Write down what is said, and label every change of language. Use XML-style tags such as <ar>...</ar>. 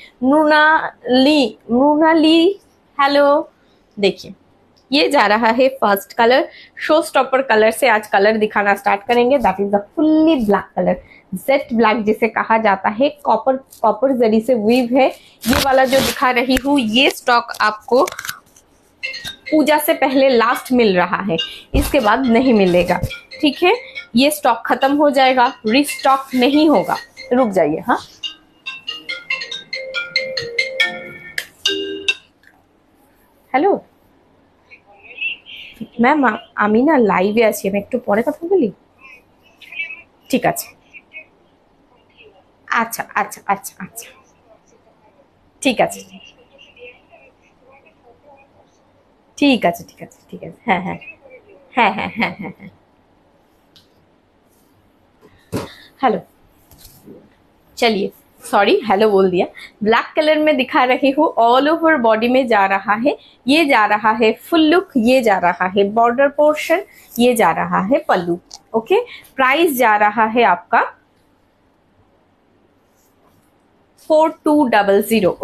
<hi>Mrinali hello, देखिए ये जा रहा है first colour, show stopper colour से आज कलर दिखाना स्टार्ट करेंगे, that is the fully black colour, jet black जिसे कहा जाता है, कॉपर कॉपर जरी से वीव है। ये वाला जो दिखा रही हूँ ये स्टॉक आपको पूजा से पहले लास्ट मिल रहा है, इसके बाद नहीं मिलेगा। ठीक है, ये स्टॉक खत्म हो जाएगा, रिस्टॉक नहीं होगा, रुक जाइए।</hi> <bn>हाँ, হ্যালো ম্যাম, আমি না লাইভে আছি, আমি একটু পরে কথা বলি, ঠিক আছে? আচ্ছা আচ্ছা আচ্ছা আচ্ছা, ঠিক আছে ঠিক আছে ঠিক আছে ঠিক আছে, হ্যাঁ হ্যাঁ হ্যাঁ হ্যাঁ হ্যাঁ হ্যাঁ হ্যাঁ।</bn> <hi>হ্যালো, চলিয়ে सॉरी हेलो बोल दिया। ब्लैक कलर में दिखा रही हूँ, ऑल ओवर बॉडी में जा रहा है, ये जा रहा है फुल लुक, ये जा रहा है बॉर्डर पोर्शन, ये जा रहा है पल्लू। ओके, प्राइस जा रहा है आपका 4200।</hi>